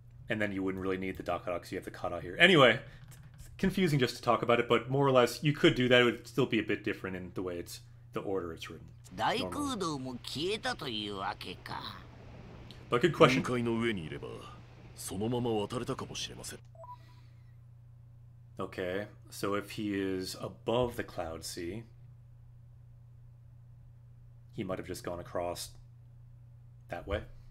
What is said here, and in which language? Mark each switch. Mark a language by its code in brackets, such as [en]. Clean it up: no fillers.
[en] And then you wouldn't really need the dakara because you have the kara here. Anyway, it's confusing just to talk about it, but more or less, you could do that. It would still be a bit different in the way it's, the order it's written. [ja] Daikudo mo kieta というわけか。 [en] But good question. [ja] 雲海の上にいれば、そのまま渡れたかもしれません。 [en] Okay, so if he is above the cloud sea, he might have just gone across that way.